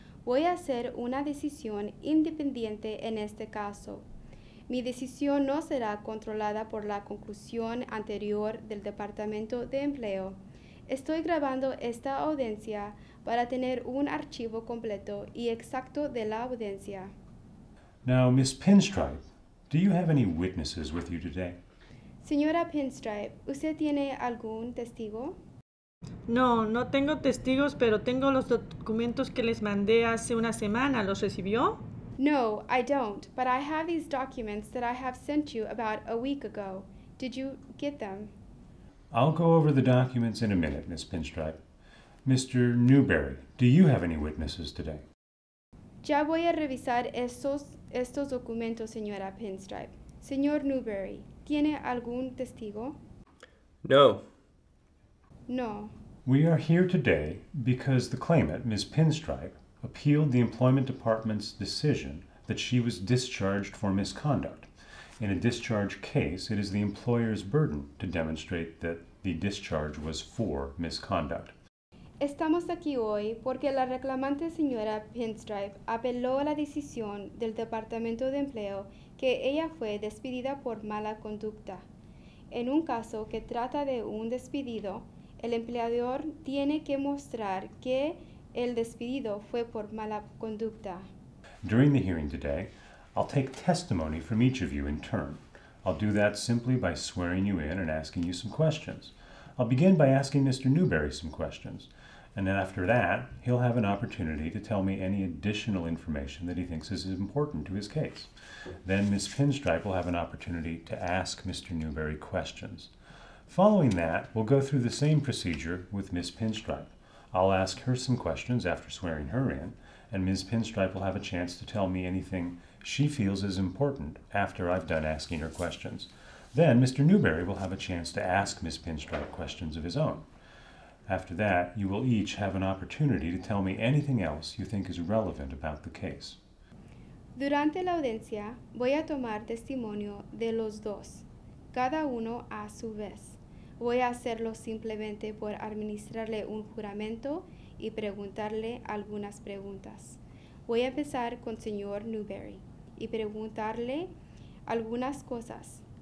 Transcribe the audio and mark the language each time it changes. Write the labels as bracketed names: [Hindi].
[Spanish] Voy a hacer una decisión independiente en este caso. Mi decisión no será controlada por la conclusión anterior del Departamento de Empleo. Estoy grabando esta audiencia para tener un archivo completo y exacto de la audiencia. [English] Now, Ms. Pinstripe, do you have any witnesses with you today? [Spanish] Señora Pinstripe, ¿usted tiene algún testigo? No, no tengo testigos, pero tengo los documentos que les mandé hace una semana. ¿Los recibió? [English] No, I don't, but I have these documents that I have sent you about a week ago. Did you get them? I'll go over the documents in a minute, Ms. Pinstripe. Mr. Newberry, do you have any witnesses today? [Spanish] Ya voy a revisar estos documentos, señora Pinstripe. Señor Newberry, ¿tiene algún testigo? [English] No. [Spanish] No. [English] We are here today because the claimant, Ms. Pinstripe, appealed the Employment Department's decision that she was discharged for misconduct. In a discharge case, it is the employer's burden to demonstrate that the discharge was for misconduct. [Spanish] Estamos aquí hoy porque la reclamante señora Pinstripe apeló a la decisión del Departamento de Empleo que ella fue despedida por mala conducta. En un caso que trata de un despedido, el empleador tiene que mostrar que el despedido fue por mala conducta. [English] During the hearing today, I'll take testimony from each of you in turn. I'll do that simply by swearing you in and asking you some questions. I'll begin by asking Mr. Newberry some questions, and then after that, he'll have an opportunity to tell me any additional information that he thinks is important to his case. Then Ms. Pinstripe will have an opportunity to ask Mr. Newberry questions. Following that, we'll go through the same procedure with Ms. Pinstripe. I'll ask her some questions after swearing her in, and Ms. Pinstripe will have a chance to tell me anything she feels is important after I've done asking her questions. Then Mr. Newberry will have a chance to ask Ms. Pinstripe questions of his own. After that, you will each have an opportunity to tell me anything else you think is relevant about the case. [Spanish] Durante la audiencia, voy a tomar testimonio de los dos. cada uno a su vez. Voy a hacerlo simplemente por administrarle un juramento y preguntarle algunas preguntas. Voy a empezar con señor Newberry y preguntarle algunas cosas.